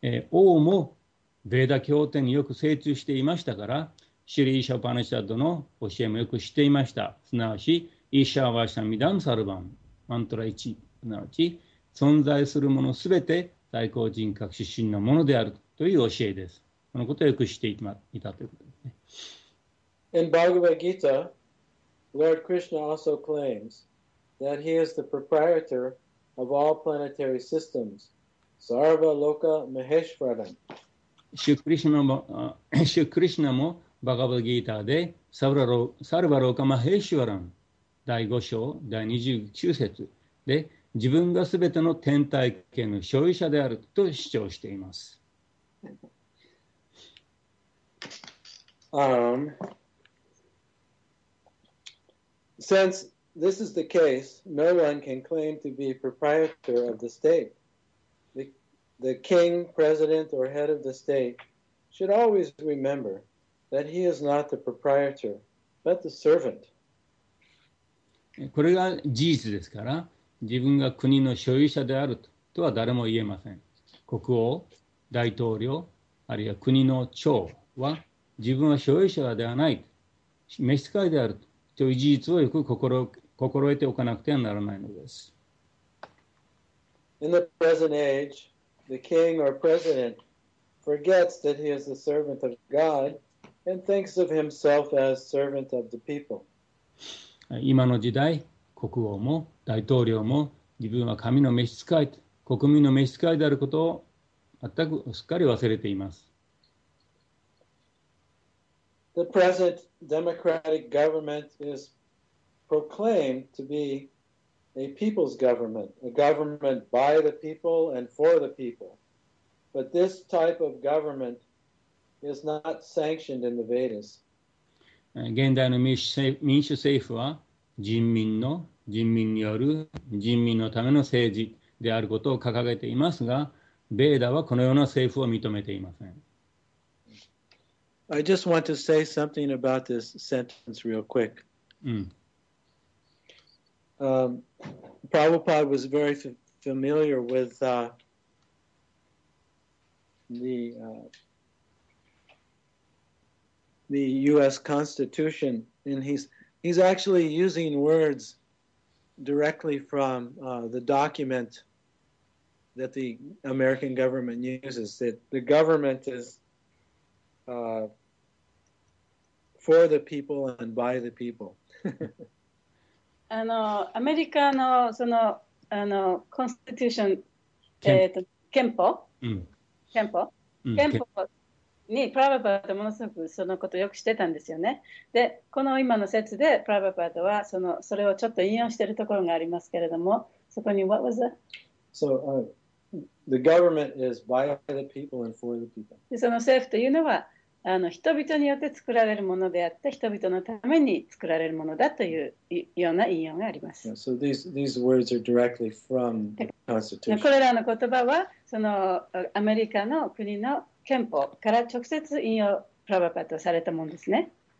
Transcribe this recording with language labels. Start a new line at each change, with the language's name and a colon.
Japanese: 王もベーダ経典によく精通していましたから、シリーショパネシャドの教えもよく知っていました。すなわち、イシャワシャミダンサルバン、マントラ1、すなわち、存在するものすべて最高人格出身のものであるという教えです。このことをよく知っていたということですね。
English: In Bhagavad Gita,Lord Krishna also claims that he is the proprietor of all planetary systems, Sarva Loka Maheshwaran.
Japanese: Shri Krishna も Bhagavad Gita で Sarva Loka Maheshwaran 第5章第29節で自分がすべての天体系の所有者であると主張しています。
English: Since this is the case, no one can claim to be proprietor of the state. The king, president, or head of the state should always remember that he is not the proprietor, but the servant.
Japanese: これが事実ですから、自分が国の所有者であるとは誰も言えません。国王、大統領、あるいは国の長は、自分は所有者ではない、召使いであると。という事実をよく心得ておかなくてはならないのです。
English: In the present age, the king or president forgets that he is the servant of God and thinks of himself as servant of the people.
Japanese: 今の時代、国王も大統領も自分は神の召使い、国民の召使いであることを全くすっかり忘れています。
English: The present democratic government is proclaimed to be a people's government, a government by the people and for the people. But this type of government is not sanctioned in the Vedas.
Japanese: 現代の民主政府は人民の、人民による、人民のための政治であることを掲げていますが、ベーダはこのような政府を認めていません。
English: I just want to say something about this sentence real quick. Prabhupada was very familiar with the U.S. Constitution, and he's actually using words directly from the document that the American government uses, that the government is for the people and by the people.
Japanese: あの、アメリカのその、あの、Constitution、憲法にプラヴァパーダはものすごくそのことをよく知ってたんですよね。で、この今の説でプラヴァパーダはそのそれをちょっと引用しているところがありますけれども、そこに
English: What was that? So, the government is by the people and for the people.
Japanese: で、その政府というのはあの人々によって作られるものであって、人々のために作られるものだというような引用があります。
English: Yeah, so these words are directly from the Constitution.
Japanese: これらの言葉はそのアメリカの国の憲法から直接引用プラヴァパッドされたものですね。